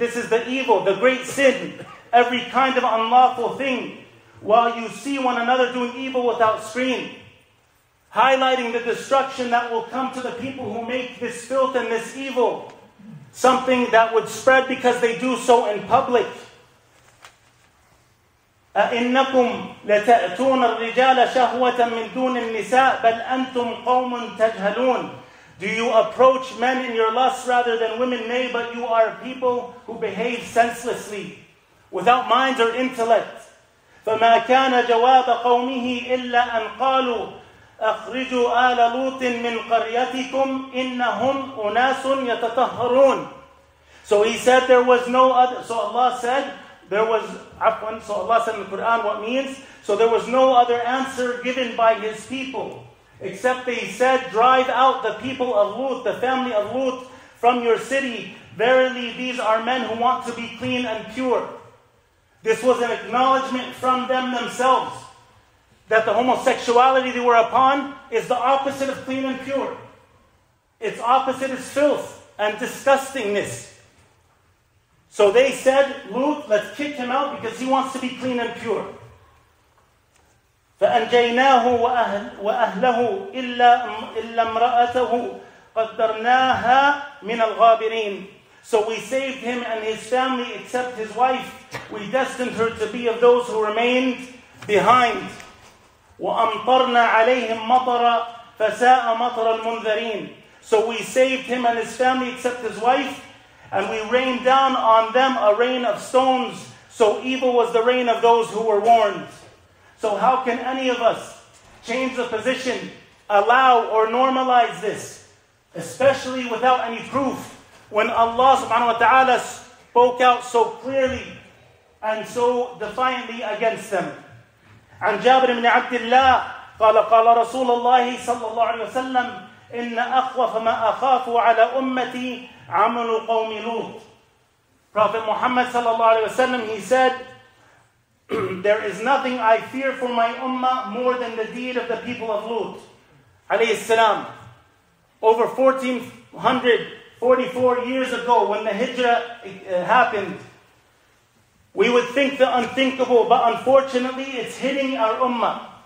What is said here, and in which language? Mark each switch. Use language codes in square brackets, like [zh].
[en] This is the great sin, every kind of unlawful thing, while you see one another doing evil without screen, highlighting the destruction that will come to the people who make this filth and this evil, something that would spread because they do so in public. [ar] أَإِنَّكُمْ لَتَأْتُونَ الرِّجَالَ شَهْوَةً مِنْ دُونِ النِّسَاءِ بَلْ أَنْتُمْ قَوْمٌ تَجْهَلُونَ [en] Do you approach men in your lusts rather than women? Nay, but you are people who behave senselessly, without mind or intellect. [ar] فَمَا كَانَ جَوَابَ قَوْمِهِ إِلَّا أَنْ قَالُوا أَخْرِجُوا آلَ لُوطٍ مِنْ قَرْيَتِكُمْ إِنَّهُمْ أُنَاسٌ يَتَطَهَّرُونَ [en] So He said there was no other... So Allah said there was... عفواً, so Allah said in the Quran what means? So there was no other answer given by His people, except they said, drive out the people of Lut, the family of Lut, from your city. Verily these are men who want to be clean and pure. This was an acknowledgement from them themselves that the homosexuality they were upon is the opposite of clean and pure. Its opposite is filth and disgustingness. So they said, Lut, let's kick him out because he wants to be clean and pure. [ar] فأنجيناه وأهله إلا امرأته قدرناها من الغابرين. [en] So we saved him and his family except his wife. We destined her to be of those who remained behind. [ar] وأمطرنا عليهم مطرا فساء مطر المنذرين. [en] So we saved him and his family except his wife, and we rained down on them a rain of stones. So evil was the rain of those who were warned. So how can any of us change the position, allow or normalize this, especially without any proof, when Allah subhanahu wa ta'ala spoke out so clearly and so defiantly against them? [ar] عن جابر بن عبد الله قال قال رسول الله صلى الله عليه وسلم إن أخوف ما أخاف على أمتي عمل قوم لوط. [en] Prophet Muhammad sallallahu alayhi wa sallam, he said, there is nothing I fear for my ummah more than the deed of the people of Lut alayhi salam. Over 1444 years ago, when the hijrah happened, we would think the unthinkable, but unfortunately it's hitting our ummah.